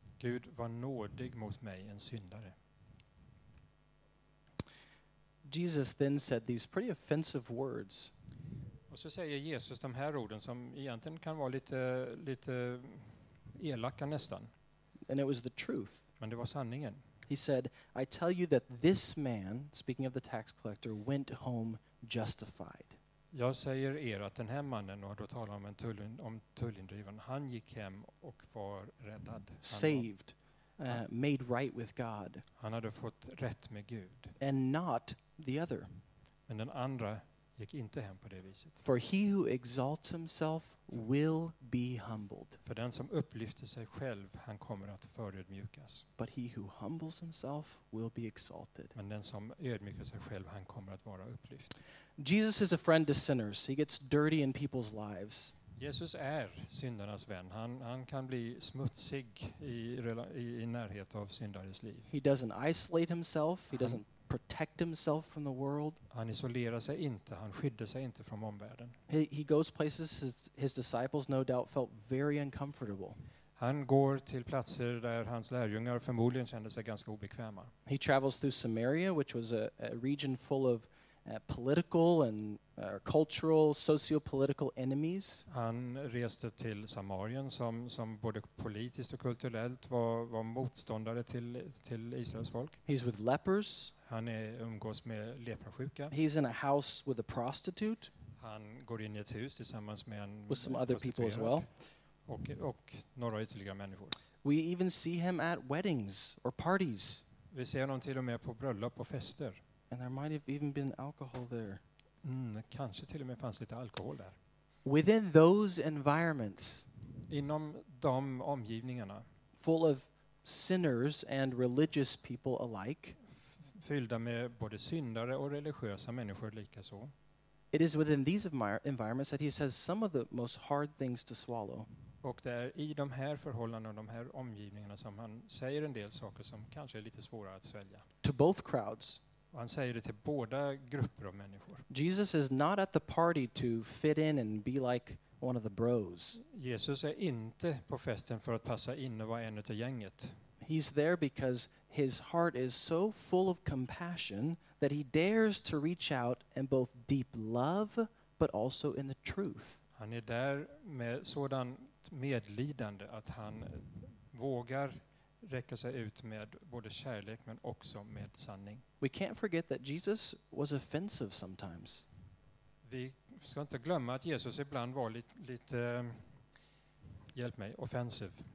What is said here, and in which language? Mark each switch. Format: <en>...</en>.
<sv>Gud, var nådig mot mig, en syndare.</sv> <en>Jesus then said these pretty offensive words.</en> <sv>Och så säger Jesus de här orden som egentligen kan vara lite elaka nästan.</sv> <en>And it was the truth.</en> <sv>Men det var sanningen.</sv> <en>He said, I tell you that this man, speaking of the tax collector, went home justified.</en> <sv>Jag säger er att den här mannen, och då talar om tullindrivaren, han gick hem och var räddad.</sv> <en>Saved, made right with God.</en> <sv>Han hade fått rätt med Gud.</sv> <en>And not the other.</en> <sv>Men den andra gick inte hem på det viset.</sv> <en>For he who exalts himself will be humbled.</en> <sv>För den som upplyfter sig själv, han kommer att förödmjukas.</sv> <en>But he who humbles himself will be exalted.</en> <sv>Men den som ödmjukar sig själv, han kommer att vara upplyft.</sv> <en>Jesus is a friend to sinners. He gets dirty in people's lives.</en> <sv>Jesus är syndarnas vän. Han kan bli smutsig i närhet av syndares liv.</sv> <en>He doesn't isolate himself. He doesn't protect himself from the world.</en> <sv>Han isolerar sig inte. Han skyddar sig inte från omvärlden.</sv> <en>He goes places his disciples no doubt felt very uncomfortable.</en> <sv>Han går till platser där hans lärjungar förmodligen kände sig ganska obekväma.</sv> <en>He travels through Samaria, which was a region full of political and cultural socio-political enemies.</en> <sv>Han reste till Samarien som både politiskt och kulturellt var motståndare till Israels folk.</sv> <en>He's with lepers.</en> <sv>Han umgås med leprasjuka.</sv> <en>He's in a house with a prostitute.</en> <sv>Han går in i ett hus tillsammans med en</sv> <en>with some other people as well.</en> <sv>Och några ytterligare människor.</sv> <en>We even see him at weddings or parties.</en> <sv>Vi ser honom till och med på bröllop och fester.</sv> <en>And there might have even been alcohol there.</en> <sv>Kanske till och med fanns lite alkohol där.</sv> <en>Within those environments,</en> <sv>inom de omgivningarna,</sv> <en>full of sinners and religious people alike,</en> <sv>fyllda med både syndare och religiösa människor likaså.</sv> <en>It is within these environments that he says some of the most hard things to swallow.</en> <sv>Och det är i de här förhållandena och de här omgivningarna som han säger en del saker som kanske är lite svåra att svälja.</sv> <en>To both crowds.</en> <sv>Och han säger det till båda grupper av människor.</sv> <en>Jesus is not at the party to fit in and be like one of the bros.</en> <sv>Jesus är inte på festen för att passa in och vara en utav gänget.</sv> <en>He's there because his heart is so full of compassion that he dares to reach out in both deep love but also in the truth.</en> <sv>Han är där med sådant medlidande att han vågar räcka sig ut med både kärlek men också med sanning.</sv> <en>We can't forget that Jesus was offensive sometimes.</en> <sv>Vi ska inte glömma att Jesus ibland var lite hjälp mig, offensive.</sv>